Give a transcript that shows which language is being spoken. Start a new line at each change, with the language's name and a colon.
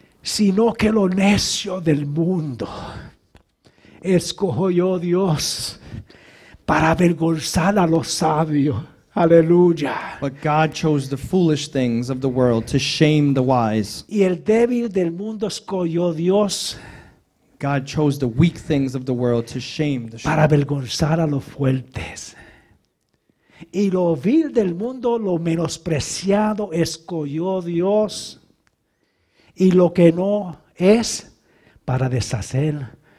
Spanish: Sino que lo necio del mundo escojo yo Dios para avergonzar a los sabios. Aleluya.
English: But God chose the foolish things of the world to shame the wise.
Spanish: Y el débil del mundo escogió Dios.
English: God chose the weak things of the world to shame the strong.
Spanish: Para avergonzar a los fuertes. Y lo vil del mundo, lo menospreciado, escogió Dios. Y lo que no es, para deshacer.